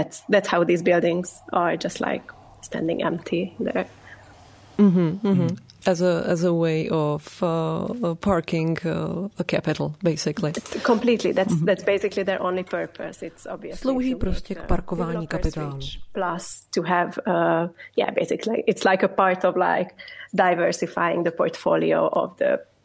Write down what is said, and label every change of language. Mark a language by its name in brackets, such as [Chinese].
[English] That's how these buildings are just like standing empty there. As a way of parking a capital, basically. Completely. That's basically their only purpose. It's obviously. [Czech] Slouží prostě k parkování kapitálu. [English] Plus to have, basically, it's like a part of like diversifying the portfolio of the.